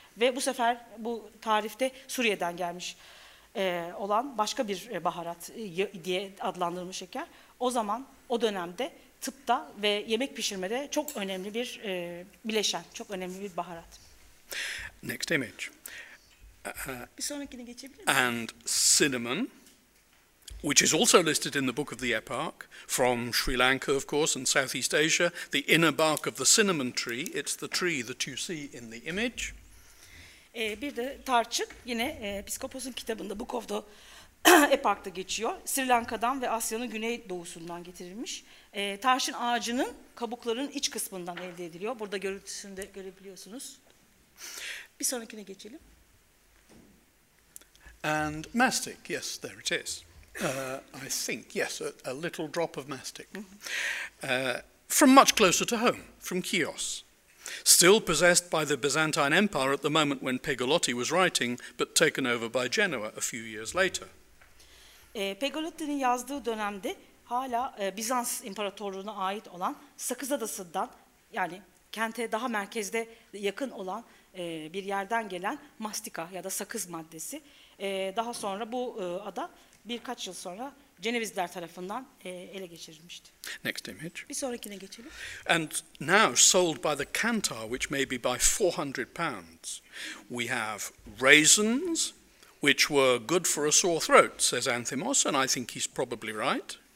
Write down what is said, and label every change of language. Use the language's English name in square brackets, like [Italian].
[Turkish] Ve bu sefer bu tarifte Suriye'den gelmiş olan başka bir baharat diye adlandırılmış şeker. O zaman, o dönemde tıpta ve yemek pişirmede çok önemli bir bileşen, çok önemli bir baharat. [English] Next image. [Turkish] Bir sonrakine geçebilir miyim? [English] And cinnamon, which is also listed in the Book of the Epoch, from Sri Lanka, of course, and Southeast Asia, the inner bark of the cinnamon tree, it's the tree that you see in the image. [Turkish] Bir de tarçın, yine Piskopos'un kitabında, Book of the Epoch'ta geçiyor. Sri Lanka'dan ve Asya'nın güney doğusundan getirilmiş. Tarçın ağacının kabuklarının iç kısmından elde ediliyor. Burada görüntüsünü de görebiliyorsunuz. Bir sonrakine geçelim. [English] And mastic, yes, there it is. I think, yes, a little drop of mastic. From much closer to home, from Chios. Still possessed by the Byzantine Empire at the moment when Pegolotti was writing, but taken over by Genoa a few years later. [Turkish] Pegolotti'nin yazdığı dönemde hala Bizans İmparatorluğu'na ait olan Sakız Adası'ndan, yani kente daha merkezde yakın olan bir yerden gelen mastika ya da sakız maddesi. Daha sonra bu ada birkaç yıl sonra Cenevizler tarafından ele geçirilmişti. [English] Next image. [Turkish] Bir sonrakine geçelim. [English] And now sold by the cantar, which may be by 400 pounds. We have raisins, which were good for a sore throat, says Anthimos, and I think he's probably right.